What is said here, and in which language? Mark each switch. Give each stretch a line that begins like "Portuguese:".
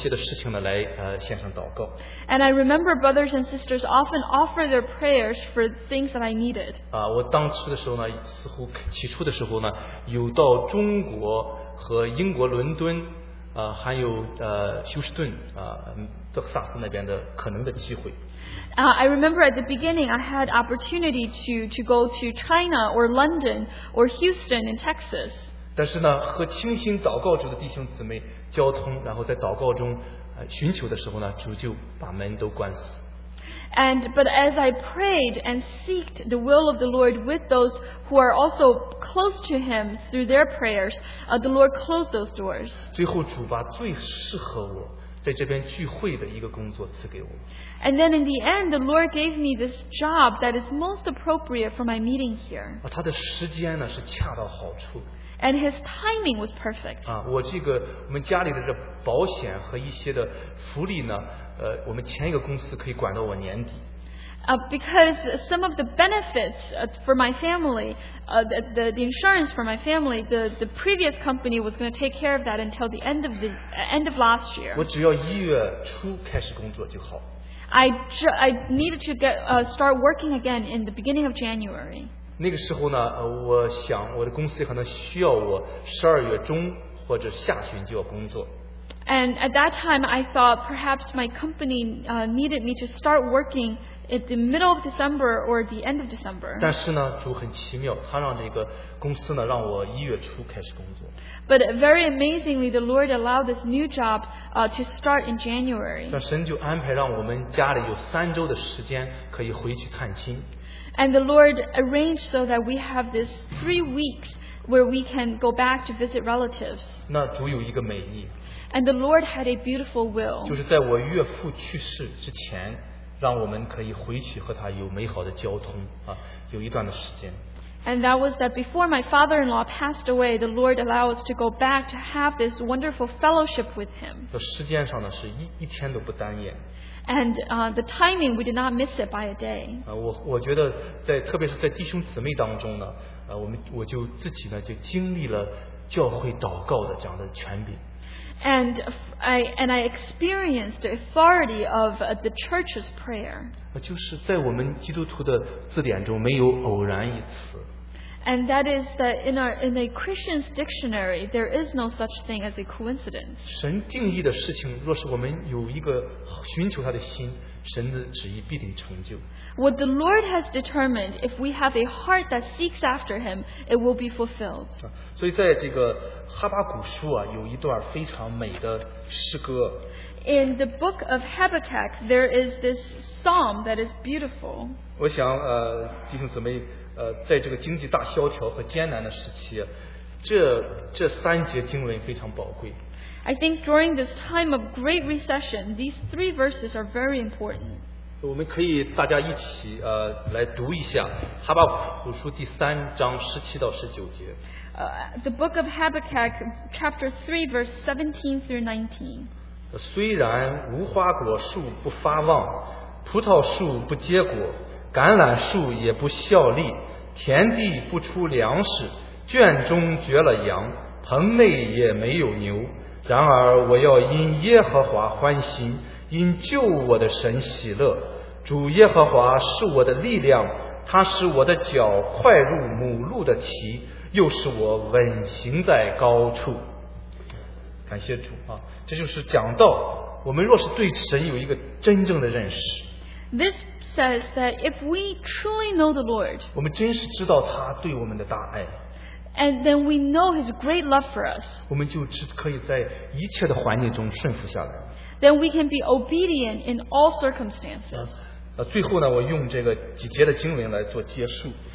Chinese: 我记得常常有弟兄姊妹为我的一些的事情来献上祷告。
English: And I remember brothers and sisters often offer their prayers for things that I needed.
Chinese: 我当初的时候呢，似乎起初的时候呢，有到中国和英国伦敦。还有休斯顿德克萨斯那边的可能的机会。
English: I remember at the beginning I had opportunity to go to China or London or Houston in Texas.
Chinese: 但是呢，和清心祷告主的弟兄姊妹交通，然后在祷告中寻求的时候呢，主就把门都关死。
English: But as I prayed and seeked the will of the Lord with those who are also close to Him through their prayers, the Lord closed those doors.
Chinese: 最后主把最适合我在这边聚会的一个工作赐给我。
English: And then in the end, the Lord gave me this job that is most appropriate for my meeting here.
Chinese: 他的时间呢是恰到好处。
English: And his timing was perfect.
Chinese: 我这个我们家里的这保险和一些的福利呢。我们前一个公司可以管到我年底。
English: Because some of the benefits for my family, the insurance for my family, the previous company was going to take care of that until the end of last year.
Chinese: 我只要一月初开始工作就好。
English: I needed to start working again in the beginning of January.
Chinese: 那个时候呢，我想我的公司可能需要我十二月中或者下旬就要工作。
English: And at that time, I thought perhaps my company needed me to start working at the middle of December or the end of December.
Chinese: 但是呢，主很奇妙，他让这个公司呢，让我一月初开始工作。
English: But very amazingly, the Lord allowed this new job to start in January.
Chinese: 那神就安排让我们家里有三周的时间可以回去探亲。
English: And the Lord arranged so that we have this 3 weeks where we can go back to visit relatives.
Chinese: 那主有一个美意。
English: And the Lord had a beautiful will.
Chinese: 就是在我岳父去世之前，让我们可以回去和他有美好的交通啊，有一段的时间。
English: And that was that before my father-in-law passed away, the Lord allowed us to go back to have this wonderful fellowship with him.
Chinese: 时间上呢是一天都不耽延。
English: And the timing, we did not miss it by a day.
Chinese: 我觉得在特别是在弟兄姊妹当中呢，我就自己呢就经历了教会祷告的这样的权柄。
English: And I experienced the authority of the church's prayer.
Chinese: 就是在我们基督徒的字典中没有偶然一词。
English: And that is that in a Christian's dictionary, there is no such thing as a coincidence.
Chinese: 神定义的事情，若是我们有一个寻求他的心，神的旨意必定成就。
English: What the Lord has determined, if we have a heart that seeks after Him, it will be fulfilled.
Chinese: 所以在这个哈巴谷书啊，有一段非常美的诗歌。
English: In the book of Habakkuk, there is this psalm that is beautiful.
Chinese: 我想弟兄姊妹在这个经济大萧条和艰难的时期，这三节经文非常宝贵。
English: I think during this time of great recession, these three verses are very important.
Chinese: 我们可以大家一起来读一下哈巴谷书第三章十七到十九节。
English: The book of Habakkuk, chapter 3, verse 17 through 19.
Chinese: 虽然无花果树不发旺，葡萄树不结果，橄榄树也不效力，田地不出粮食，圈中绝了羊，棚内也没有牛。然而我要因耶和华欢心，因救我的神喜乐。主耶和华是我的力量，他使我的脚快入母鹿的蹄，又使我稳行在高处。感谢主啊！这就是讲到我们若是对神有一个真正的认识。
English: This says that if we truly know the Lord，
Chinese: 我们真是知道他对我们的大爱。
English: And then we know His great love for us.
Chinese: 我们就只可以在一切的环境中顺服下来。
English: Then we can be obedient in all circumstances.
Chinese: 最后呢，我用这个几节的经文来做结束。